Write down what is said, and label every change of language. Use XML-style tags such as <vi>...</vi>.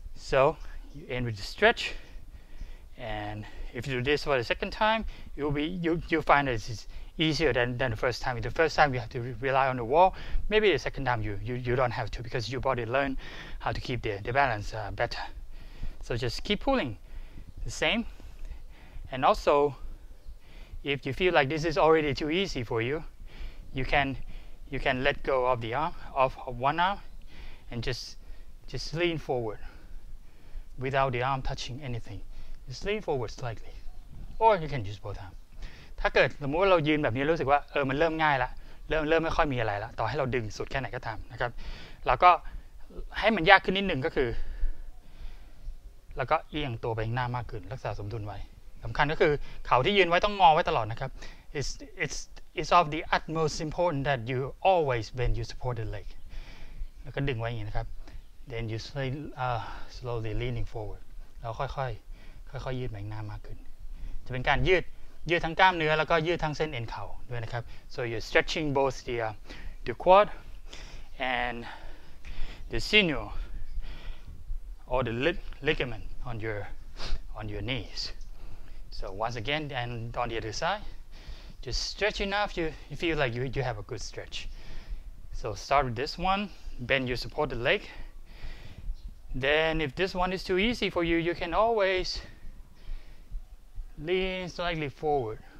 <en>so you end with the stretch and if you do this for the second time you'll find that it's easier than the first time the first time you have to rely on the wall maybe the second time you don't have to because your body learn how to keep the balance better so just keep pulling the same and alsoIf you feel like this is already too easy for you, you can let go of the arm, of one arm, and just lean forward without the arm touching anything. Just lean forward slightly, or you can use both arms.</en> <th>ถ้าเกิดสมมติว่าเรายืนแบบนี้รู้สึกว่ามันเริ่มง่ายละเริ่มไม่ค่อยมีอะไรละต่อให้เราดึงสุดแค่ไหนก็ตามนะครับเราก็ให้มันยากขึ้นนิดหนึ่งก็คือ เราก็เอียงตัวไปข้างหน้ามากขึ้นรักษาสมดุลไว้สำคัญก็คือเข่าที่ยืนไว้ต้องงอไว้ตลอดนะครับ</th> <en>it's of the utmost important that you always when you support the leg</en> <th>แล้วก็ดึงไว้อย่างนี้นะครับ</th> <en>then you slowly leaning forward</en> <th>แล้วค่อยๆค่อยยืดแบงหน้ามากขึ้นจะเป็นการยืดทั้งกล้ามเนื้อแล้วก็ยืดทั้งเส้นเอ็นเข่าด้วยนะครับ</th> <en>so you're stretching both the quad and the sinew or the ligament on your kneesSo once again, and on the other side, just stretch enough. You feel like you have a good stretch. So start with this one. Bend your supported leg. Then, if this one is too easy for you, you can always lean slightly forward.</en>